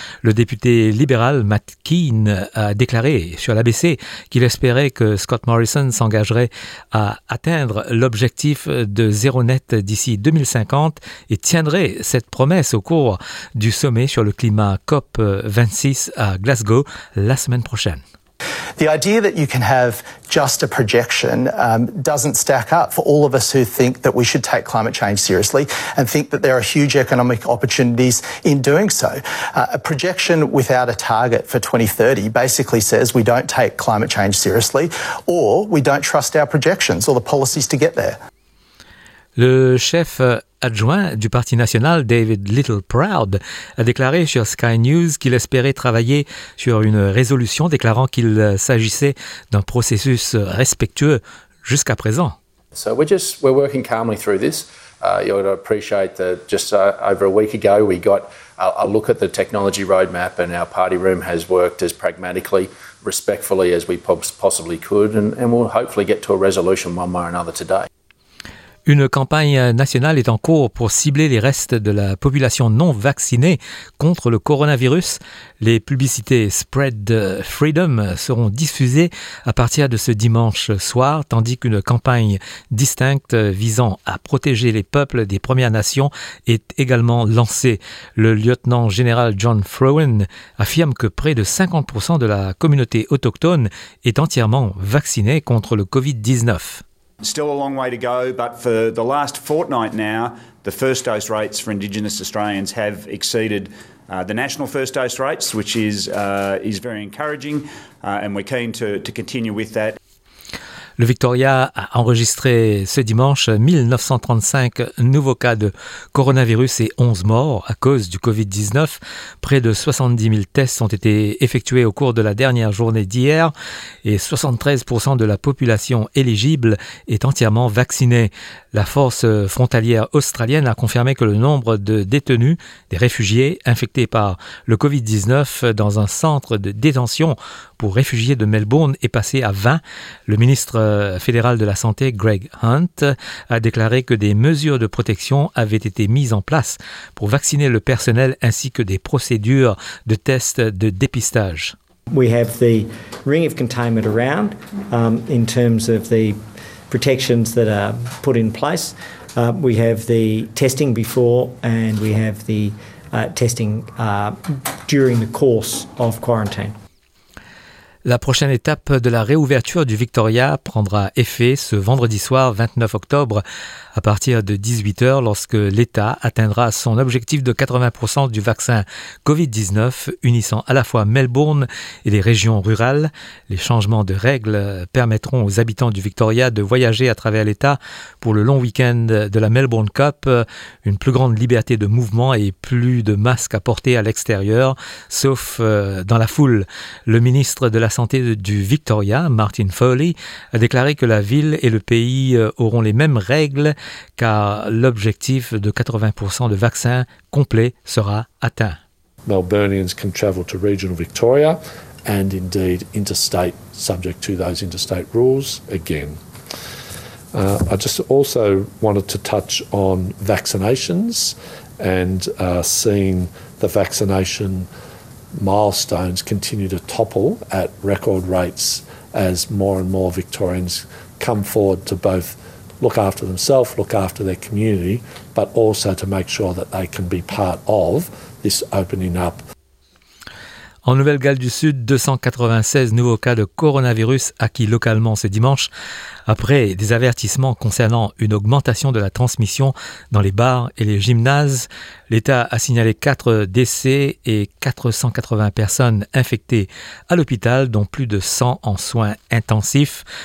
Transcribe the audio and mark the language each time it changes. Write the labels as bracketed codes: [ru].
[fr] Le député libéral Matt Keane a déclaré sur l'ABC qu'il espérait que Scott Morrison s'engagerait à atteindre l'objectif de zéro net d'ici 2050 et tiendrait cette promesse au cours du sommet sur le climat COP26 à Glasgow la semaine prochaine. [en] The idea that you can have just a projection doesn't stack up for all of us who think that we should take climate change seriously and think that there are huge economic opportunities in doing so. A projection without a target for 2030 basically says we don't take climate change seriously or we don't trust our projections or the policies to get there. [fr] Le chef adjoint du Parti national, David Littleproud, a déclaré sur Sky News qu'il espérait travailler sur une résolution déclarant qu'il s'agissait d'un processus respectueux jusqu'à présent. [en] So we're working calmly through this. You'll appreciate that just over a week ago, we got a look at the technology roadmap and our party room has worked as pragmatically, respectfully as we possibly could and we'll hopefully get to a resolution one way or another today. [fr] Une campagne nationale est en cours pour cibler les restes de la population non vaccinée contre le coronavirus. Les publicités Spread Freedom seront diffusées à partir de ce dimanche soir, tandis qu'une campagne distincte visant à protéger les peuples des Premières Nations est également lancée. Le lieutenant général John Frohen affirme que près de 50% de la communauté autochtone est entièrement vaccinée contre le COVID-19. [en] Still a long way to go, but for the last fortnight now, the first dose rates for Indigenous Australians have exceeded the national first dose rates, which is very encouraging, and we're keen to continue with that. [fr] Le Victoria a enregistré ce dimanche 1935 nouveaux cas de coronavirus et 11 morts à cause du COVID-19. Près de 70 000 tests ont été effectués au cours de la dernière journée d'hier et 73% de la population éligible est entièrement vaccinée. La force frontalière australienne a confirmé que le nombre de détenus, des réfugiés infectés par le COVID-19 dans un centre de détention pour réfugiés de Melbourne est passé à 20. Le ministre fédéral de la Santé, Greg Hunt, a déclaré que des mesures de protection avaient été mises en place pour vacciner le personnel ainsi que des procédures de tests de dépistage. [en] We have the ring of containment around in terms of the protections that are put in place. We have the testing before and we have the testing during the course of quarantine. [fr] La prochaine étape de la réouverture du Victoria prendra effet ce vendredi soir 29 octobre à partir de 18h lorsque l'État atteindra son objectif de 80% du vaccin COVID-19 unissant à la fois Melbourne et les régions rurales. Les changements de règles permettront aux habitants du Victoria de voyager à travers l'État pour le long week-end de la Melbourne Cup, une plus grande liberté de mouvement et plus de masques à porter à l'extérieur, sauf dans la foule. Le ministre de la Santé du Victoria, Martin Foley, a déclaré que la ville et le pays auront les mêmes règles car l'objectif de 80% de vaccins complets sera atteint. [en] Melbournians can travel to regional Victoria and indeed interstate, subject to those interstate rules again. I just also wanted to touch on vaccinations and seeing the vaccination milestones continue to topple at record rates as more and more Victorians come forward to both look after themselves, look after their community, but also to make sure that they can be part of this opening up. [fr] En Nouvelle-Galles du Sud, 296 nouveaux cas de coronavirus acquis localement ce dimanche, après des avertissements concernant une augmentation de la transmission dans les bars et les gymnases. L'État a signalé 4 décès et 480 personnes infectées à l'hôpital, dont plus de 100 en soins intensifs.